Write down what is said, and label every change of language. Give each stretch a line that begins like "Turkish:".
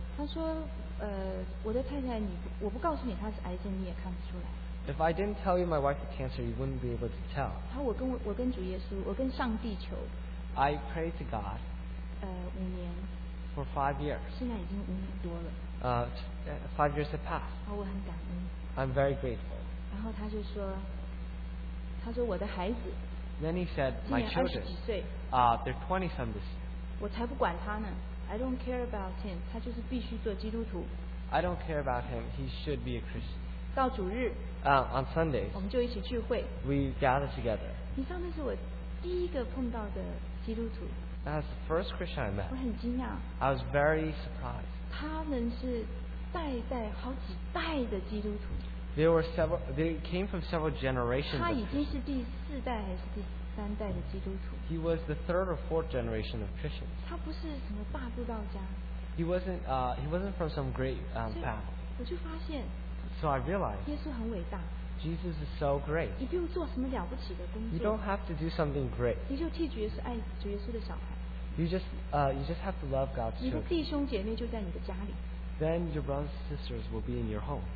Chinese: 他说我的太太你我不告诉你她是癌症你也看不出来。
English: If I didn't tell you my wife had cancer, you wouldn't be able to tell.
Chinese: 我跟主耶稣我跟上帝求,
English: I prayed to God
Chinese: 五年,
English: for 5 years.
Chinese: 现在已经五年多了,
English: 5 years have passed.
Chinese: 我很感恩,
English: I'm very grateful.
Chinese: 然后他就说, 他说我的孩子,
English: then he said, my children, they're 20-some this year.
Chinese: 我才不管他呢,
English: I don't care about him.
Chinese: 他就是必须做基督徒。
English: I don't care about him. He should be a Christian.
Chinese: 到主日,
English: On Sundays,
Chinese: 我们就一起聚会,
English: we gather together.
Chinese: 你上次是我第一个碰到的基督徒。
English: That's the first Christian I met.
Chinese: 我很惊讶。
English: I was very surprised.
Chinese: 他们是代代好几代的基督徒。
English: There were several. They came from several generations.
Chinese: 他已经是第四代还是第三代的基督徒。
English: He was the third or fourth generation of Christians.
Chinese: 他不是什么大布道家。
English: He wasn't from some great path.
Chinese: 我就发现,
English: so I realized,
Chinese: 耶稣很伟大,
English: Jesus is so great.
Chinese: 你不用做什么了不起的工作,
English: you don't have to do something great.
Chinese: 你就替主耶稣爱主耶稣的小孩。
English: You just have to love God's children.
Chinese: 你的弟兄姐妹就在你的家里。
English: Then your brothers and sisters will be in your home.